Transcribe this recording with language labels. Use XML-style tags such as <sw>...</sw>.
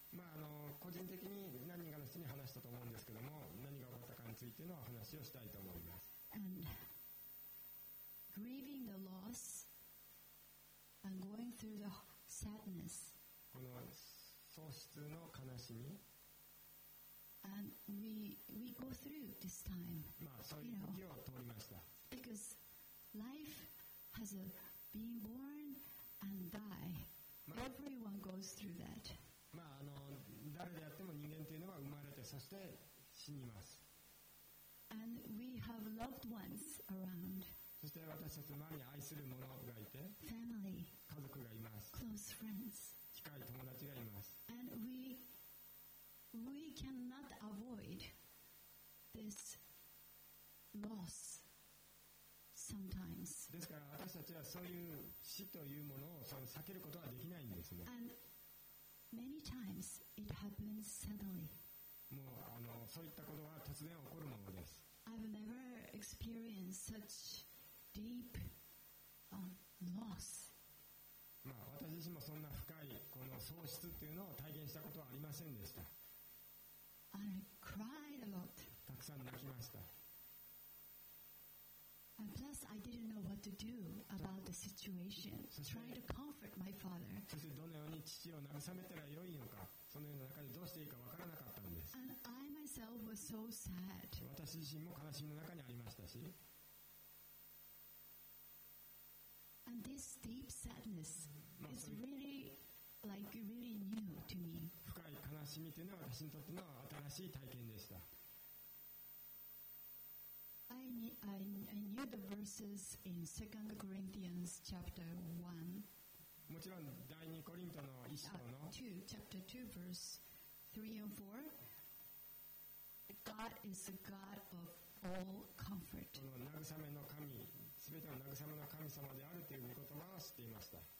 <ja>まあ個人的に何人かの人に話したと思うんですけども、何が起こったかについての話をしたいと思います。</ja> <en>And grieving the loss and going through the sadness.</en> <ja>この喪失の悲しみ。</ja> <en>And we go through this time.</en> <ja>まあそういう時を通りました。</ja> <en>Because life has a being born and die. Everyone goes through that.</en> <ja>まあ誰であっても人間というのは生まれてそして死にます。</ja> <en>And we have loved ones around.</en> <ja>そして私たちの周りに愛する者がいて、</ja> <en>family,</en> <ja>家族がいます。</ja> <en>Close friends.</en> <ja>近い友達がいます。</ja> <en>And we cannot avoid this loss. Sometimes.</en> <ja>ですから私たちはそういう死というものをその避けることはできないんですね。</ja> <en>And many times it happens suddenly.</en> <ja>もうそういったことは突然起こるものです。</ja> <en>I've never experienced such deep, loss.</en> <ja>まあ私自身もそんな深いこの喪失っていうのを体験したことはありませんでした。</ja> <en>And I cried a lot.</en> <ja>たくさん泣きました。</ja> <en>And plus, I didn't know what to do about the situation. Trying to comfort my father.</en> <ja>そしてどのように父を慰めたらよいのか、そのような中でどうしていいか分からなかったんです。</ja> <en>And I myself was so sad.</en> <ja>私自身も悲しみの中にありましたし。</ja> <en>And this deep sadness is really, like, really new to me.</en> <ja>深い悲しみというのは私にとっての新しい体験でした。</ja> <en>I knew the verses in 2 Corinthians chapter 1.</en> <ja>もちろん第2コリントの1章の</ja> <en>chapter 2 verse 3 and 4. God is the God of all comfort.</en> <ja>この慰めの神、すべての慰めの神様であるという言葉は知っていました。</ja>